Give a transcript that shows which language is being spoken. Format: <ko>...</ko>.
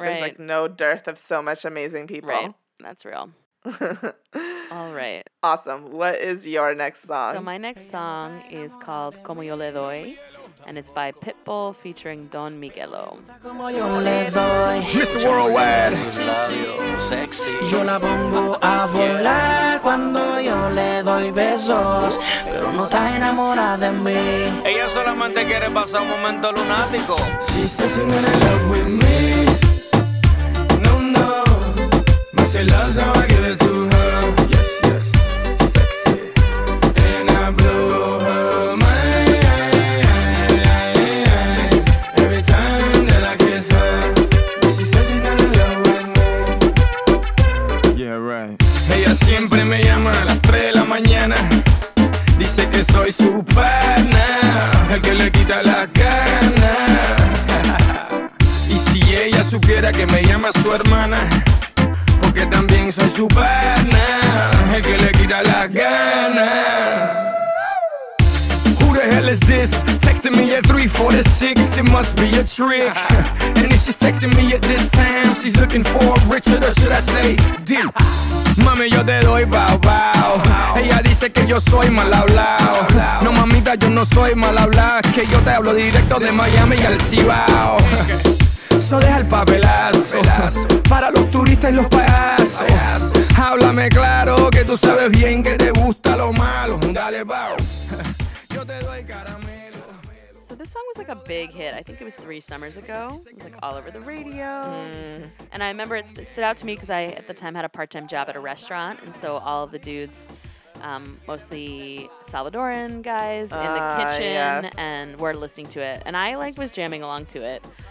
<en>There's, like, no dearth of so much amazing people. Right. That's real. All right. Awesome. What is your next song? So my next song is called Como Yo Le Doy, and it's by Pitbull featuring Don Miguelo.</en> <es>Como yo le doy.</es> <en>Mr. Worldwide.</en> <es>Yo la pongo a volar cuando yo le doy besos, pero no está enamorada de mí. Ella solamente quiere pasar un momento lunático.</es> <en>She says she's in love with me. No, no. She loves how I give it to her. Yes, yes, sexy. And I blow her mind every time that I kiss her. But she says she's not in love with me. Yeah, right.</en> <es>Ella siempre me llama a las 3 de la mañana. Dice que soy su partner, el que le quita la gana. Y si ella supiera que me llama su hermana, que también soy su partner, el que le quita la gana.</es> <en>Who the hell is this? Texting me at 3:46, it must be a trick. And if she's texting me at this time, she's looking for Richard, or should I say deep?</en> <es>Mami, yo te doy bao bao. Ella dice que yo soy mal hablado. No, mamita, yo no soy mal hablado. Que yo te hablo directo de Miami al Cibao. Eso deja el papelazo para los turistas y los payasos. Háblame claro que tú sabes bien que te gusta lo malo. Dale, bao. Yo te doy caramelo.</es> <en>So this song was like a big hit. I think it was 3 summers ago. It was like all over the radio. And I remember it stood out to me because I at the time had a part-time job at a restaurant. And so all of the dudes, mostly Salvadoran guys in the kitchen, and were listening to it. And I like was jamming along to it.</en>